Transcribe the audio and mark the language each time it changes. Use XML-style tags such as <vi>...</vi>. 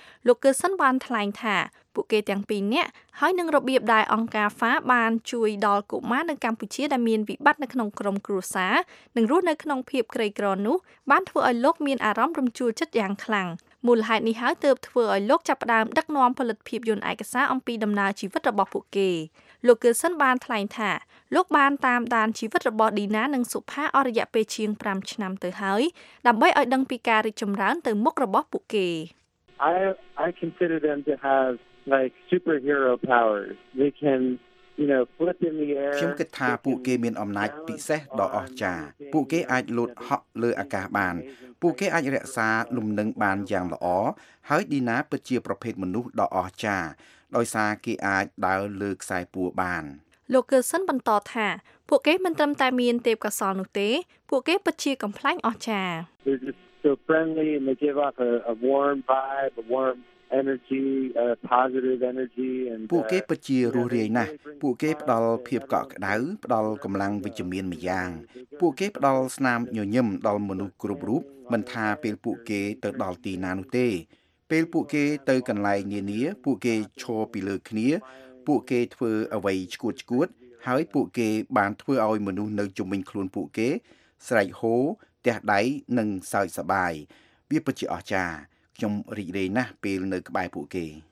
<km>លោកកឺសិនបានថ្លែងថាពួកគេទាំងពីរនាក់ហើយនឹងរបៀបដែលអង្គការ FA បានជួយដល់កុមារនៅកម្ពុជាដែលមានវិបត្តិនៅក្នុងក្រុមគ្រួសារនិងរស់នៅក្នុងភាពក្រីក្រនោះបានធ្វើឲ្យលោកមានអារម្មណ៍រំជួលចិត្តយ៉ាងខ្លាំងមូលហេតុនេះហើយទើបធ្វើឲ្យលោកចាប់ផ្ដើមដឹកនាំផលិតភាពយន្តឯកសារអំពីដំណើរជីវិតរបស់ពួកគេលោកកឺសិនបានថ្លែងថាលោកបានតាមដានជីវិតរបស់ឌីណានិងសុផាអស់រយៈពេលជាង5ឆ្នាំទៅហើយដើម្បីឲ្យដឹងពីការរីកចម្រើនទៅមុខរបស់ពួកគេ</km> <en>I consider them to have like superhero powers they can</en> <km>ខ្ញុំគិតថាពួកគេមានអំណាចពិសេសដ៏អស្ចារ្យពួកគេអាចលោតហក់លើអាកាសបានពួកគេអាចរក្សាលំនឹងបានយ៉ាងល្អហើយឌីណាពិតជាប្រភេទមនុស្សដ៏អស្ចារ្យដោយសារគេអាចដើរលើខ្សែពួរបាន លោកកឺសិនបន្តថាពួកគេមិនត្រឹមតែមានទេពកោសល្យនោះទេពួកគេពិតជាកំ្លែងអស្ចារ្យ</km> <en>They're just so friendly and they give off a warm vibe a warmenergy, positive energy, and</en> <km>ពួកគេពិតជារស់រាយណាស់ពួកគេផ្ដល់ភាពកក់ក្ដៅផ្ដល់កម្លាំងវិជ្ជមានម្យ៉ាងពួកគេផ្ដល់ស្នាមញញឹមដល់មនុស្សគ្រប់រូបមិនថាពេលពួកគេទៅដល់ទីណានោះទេពេលពួកគេទៅកន្លែងនានាពួកគេឈរពីលើគ្នាពួកគេធ្វើអ្វីឆ្កួតឆ្កួតហើយពួកគេបានធ្វើឲ្យមនុស្សនៅជុំវិញខ្លួនពួកគេស្រែកហ៊ោទះដៃនិងសើចសប្បាយវាពិតជាអស្ចារ្យខ្ញុំរីករាយណាស់ពេលនៅក្បែរពួកគេ</km>